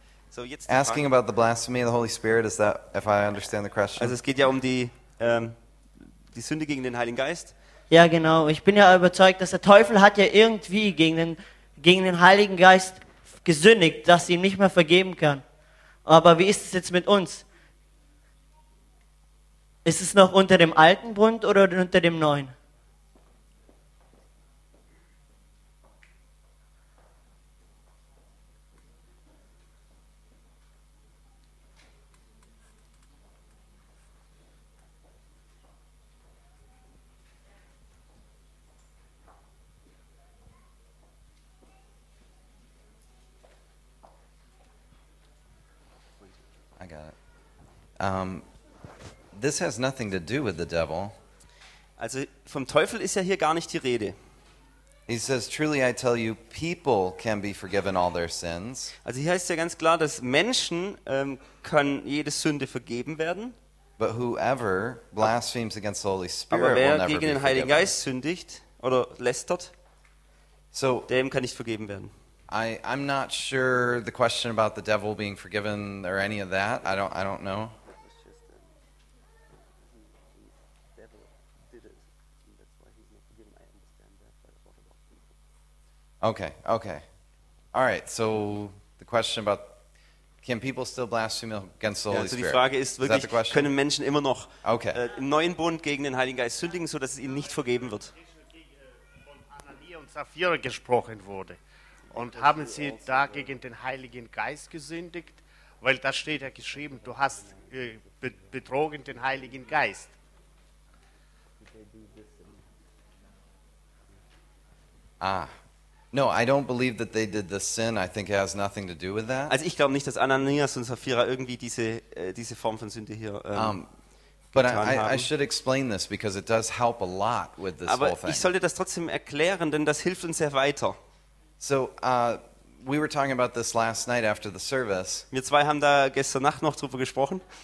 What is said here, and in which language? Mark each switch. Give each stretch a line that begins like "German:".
English: So jetzt asking about the blasphemy of the Holy Spirit, is that, if I understand the question?
German: Also es geht ja um die... die Sünde gegen den Heiligen Geist. Ja, genau. Ich bin ja überzeugt, dass der Teufel hat ja irgendwie gegen den Heiligen Geist gesündigt, dass sie ihn nicht mehr vergeben kann. Aber wie ist es jetzt mit uns? Ist es noch unter dem alten Bund oder unter dem neuen?
English: This has nothing to do with the devil.
German: Also vom Teufel ist ja hier gar nicht die Rede.
English: He says, truly I tell you, people can be forgiven all their sins.
German: Also hier heißt ja ganz klar, dass Menschen können jede Sünde vergeben werden.
English: But whoever blasphemes against the Holy Spirit will never be forgiven.
German: Aber wer gegen den Heiligen Geist sündigt oder lästert, so, dem kann nicht vergeben werden.
English: I'm not sure the question about the devil being forgiven or any of that. I don't know. Okay. All right. So the question about can people still blaspheme against the Holy Spirit?
German: Also die Frage ist wirklich, können Menschen immer noch im neuen Bund gegen den Heiligen Geist sündigen, so dass es ihnen nicht vergeben wird? Von Ananias und Sapphira gesprochen wurde. Und haben sie da gegen den Heiligen Geist gesündigt? Weil da steht ja geschrieben, du hast betrogen den Heiligen Geist.
English: No, I don't believe that they did the sin. I think it has nothing to do with that.
German: Also ich glaube nicht, dass Ananias und Sapphira irgendwie diese Form von Sünde hier
English: But I should explain this because it does help a lot with this
German: Aber
English: whole thing.
German: Ich sollte das trotzdem erklären, denn das hilft uns sehr weiter.
English: So we were talking about this last night after the service.
German: Wir zwei haben da gestern Nacht noch drüber gesprochen.